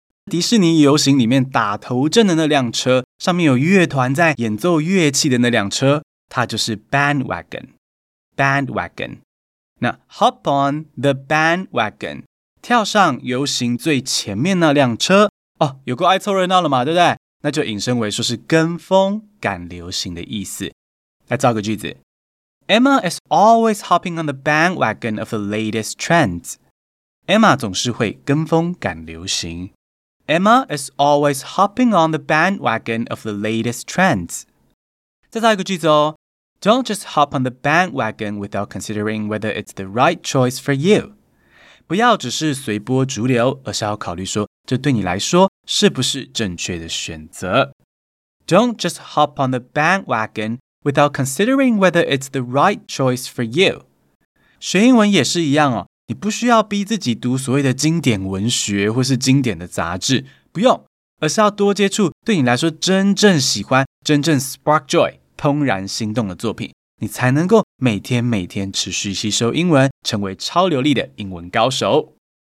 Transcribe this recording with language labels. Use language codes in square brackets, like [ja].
[zh] 迪士尼游行里面打头阵的那辆车, 上面有乐团在演奏乐器的那辆车, 它就是bandwagon. Bandwagon. 那 [en] hop on the bandwagon, [zh] 跳上游行最前面那辆车, 有过爱凑热闹了嘛,对不对? 那就引申为说是跟风赶流行的意思。来造个句子。 [en] Emma is always hopping on the bandwagon of the latest trends. [zh] Emma总是会跟风赶流行. [en] Emma is always hopping on the bandwagon of the latest trends. [zh] 再造一个句子哦, [en] Don't just hop on the bandwagon without considering whether it's the right choice for you. [zh] 不要只是随波逐流, 而是要考虑说这对你来说是不是正确的选择. [en] Don't just hop on the bandwagon without considering whether it's the right choice for you. [zh] 学英文也是一样哦, 你不需要逼自己读所谓的经典文学或是经典的杂志, 不用, 而是要多接触对你来说真正喜欢, 真正 [en] spark joy, [zh] 怦然心动的作品, 你才能够每天每天持续吸收英文, 成为超流利的英文高手。